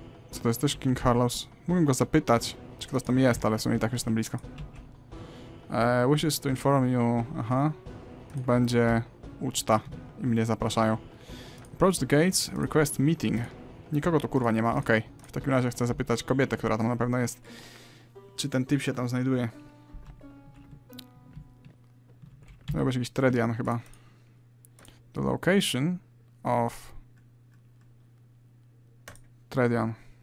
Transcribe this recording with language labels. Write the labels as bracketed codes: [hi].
[pl] Co to jest też King Carlos? Mógłbym go zapytać, czy ktoś tam jest, ale w sumie i tak już tam blisko. [en] Wishes to inform you. [pl] Aha. Będzie uczta i mnie zapraszają. [en] Approach the gates, request meeting. [pl] Nikogo tu kurwa nie ma, okej. Okay. W takim razie chcę zapytać kobietę, która tam na pewno jest. Czy ten typ się tam znajduje? Miał być jakiś Tredian chyba. [en] The location of Tredian.